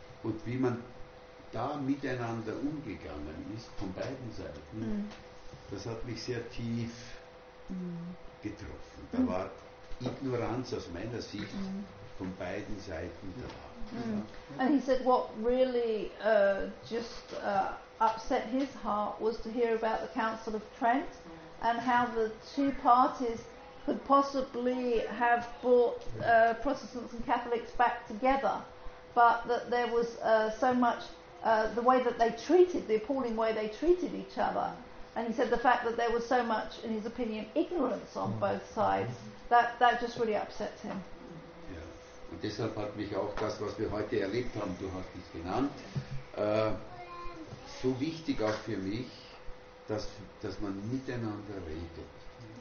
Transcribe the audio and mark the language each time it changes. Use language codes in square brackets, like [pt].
[de] Und wie man da miteinander umgegangen ist, von beiden Seiten, das hat mich sehr tief getroffen. Da war Ignoranz aus meiner Sicht von beiden Seiten da. [en] And he said what really upset his heart was to hear about the Council of Trent and how the two parties could possibly have brought Protestants and Catholics back together, but that there was so much the way that they treated, the appalling way they treated each other. And he said the fact that there was so much, in his opinion, ignorance on both sides, that just really upset him. [de] Und deshalb hat mich auch das, was wir heute erlebt haben, du hast es genannt, so wichtig auch für mich, dass man miteinander redet.